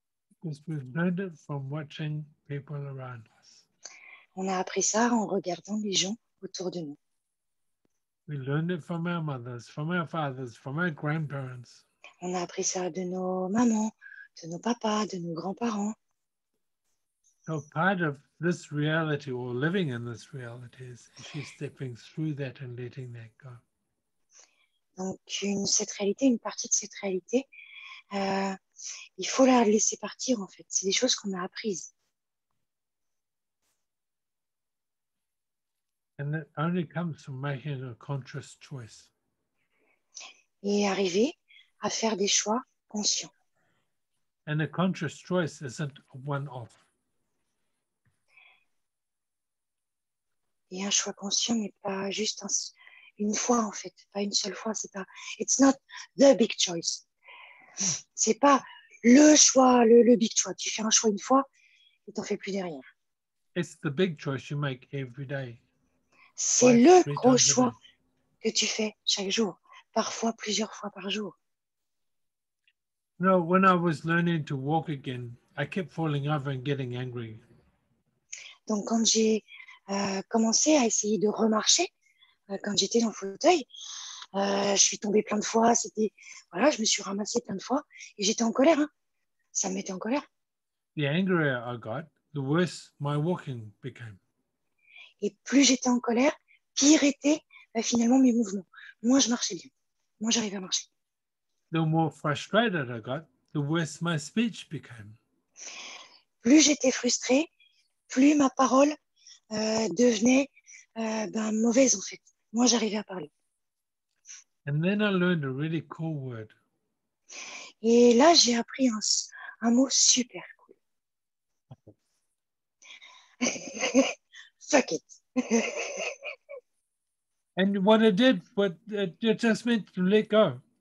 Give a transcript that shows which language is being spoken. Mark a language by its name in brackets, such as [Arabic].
[English] Because we've learned it from watching people around us. [French] On a appris ça en regardant les gens autour de nous. [English] We learned it from our mothers, from our fathers, from our grandparents. [French] On a appris ça de nos mamans, de nos papas, de nos grands-parents. [English] So part of this reality or living in this reality is actually stepping through that and letting that go. [French] Donc une partie de cette réalité, il faut la laisser partir en fait. C'est des choses qu'on a apprises. [English] And that only comes from making a conscious choice. [French] Et arriver à faire des choix conscients. [English] And a conscious choice isn't one off. [French] Et un choix conscient n'est pas juste une fois en fait, pas une seule fois, c'est pas, [English] it's not the big choice. [French] C'est pas le choix, le [English] big choice. [French] Tu fais un choix une fois et t'en fais plus derrière. [English] It's the big choice you make every day. [French] C'est le gros choix que tu fais chaque jour, parfois plusieurs fois par jour. [English] No, when I was learning to walk again, I kept falling over and getting angry. [French] Donc quand j'ai commencé à essayer de remarcher, quand j'étais dans le fauteuil, Je suis tombée plein de fois. C'était voilà, je me suis ramassée plein de fois et j'étais en colère. Hein. Ça me mettait en colère. [English] The angrier I got, the worse my walking became. [French] Et plus j'étais en colère, pire étaient finalement mes mouvements. Moins je marchais bien. Moins j'arrivais à marcher. [English] The more frustrated I got, the worse my speech became. [French] Plus j'étais frustrée, plus ma parole devenait mauvaise en fait. Moins j'arrivais à parler. [English] And then I learned a really cool word. [French] Et là, j'ai appris un mot super cool. [English] Fuck it. And what it did, what it just meant to let go.